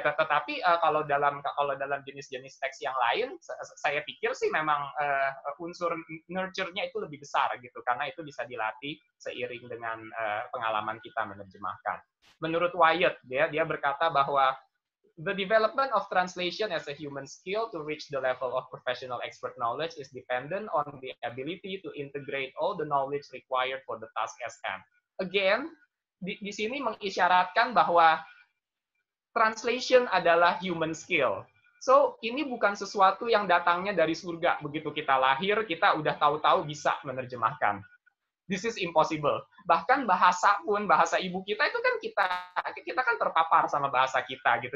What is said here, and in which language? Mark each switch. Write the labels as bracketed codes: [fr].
[id] Tetapi kalau dalam jenis-jenis teks yang lain, saya pikir sih memang unsur nurture-nya itu lebih besar gitu, karena itu bisa dilatih seiring dengan pengalaman kita menerjemahkan. Menurut Wyatt, dia berkata bahwa [en] the development of translation as a human skill to reach the level of professional expert knowledge is dependent on the ability to integrate all the knowledge required for the task at hand. [id] Again, di sini mengisyaratkan bahwa translation adalah human skill. So, ini bukan sesuatu yang datangnya dari surga. Begitu kita lahir, kita udah tahu-tahu bisa menerjemahkan. [en] This is impossible. [id] Bahkan bahasa pun, bahasa ibu kita itu kan kita kan terpapar sama bahasa kita gitu.